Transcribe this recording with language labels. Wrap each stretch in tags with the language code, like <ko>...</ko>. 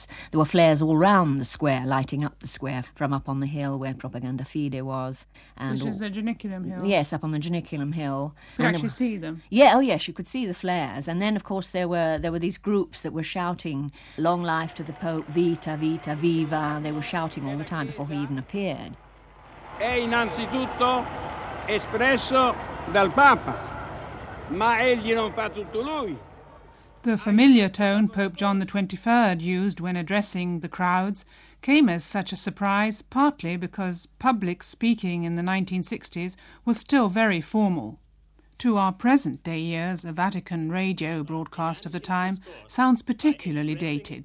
<en>There were flares all round the square, lighting up the square from up on the hill where Propaganda Fide was. And which is the Janiculum Hill. Yes, up on the Janiculum Hill. Could you actually see them? Yeah, oh yes, you could see the flares. And then, of course, there were these groups that were shouting, long life to the Pope,</en> <it>vita, vita, viva.</it> <en>They were shouting all the time before he even appeared.</en> <it>È innanzitutto espresso dal Papa, ma egli non fa tutto lui.</it> <en>The familiar tone Pope John the 23rd used when addressing the crowds came as such a surprise, partly because public speaking in the 1960s was still very formal. To our present-day ears, a Vatican radio broadcast of the time sounds particularly dated.</en>